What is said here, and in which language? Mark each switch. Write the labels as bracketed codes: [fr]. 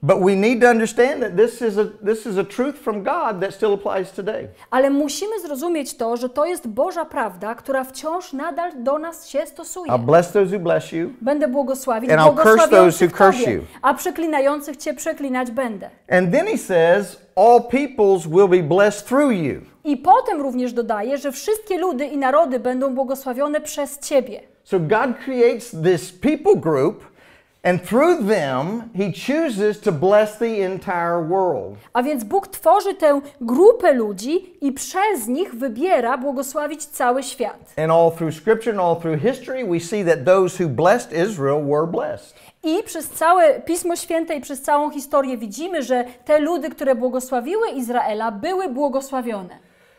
[en] But we need to understand that this is a truth from God that still applies today. [pl] Ale musimy zrozumieć to, że to jest Boża prawda, która wciąż nadal do nas się stosuje. [en] I'll bless those who bless you. [pl] Będę błogosławić [en] and I'll curse those who curse you. [pl] A przeklinających cię przeklinać będę. [en] And then he says, all peoples will be blessed through you. [pl] I potem również dodaje, że wszystkie ludy i narody będą błogosławione przez ciebie. [en] So God creates this people group and through them he chooses to bless the entire world. [pl] A więc Bóg tworzy tę grupę ludzi i przez nich wybiera błogosławić cały świat. [en] And all through scripture and all through history we see that those who blessed Israel were blessed. [pl] I przez całe Pismo Święte i przez całą historię widzimy, że te ludy, które błogosławiły Izraela, były błogosławione.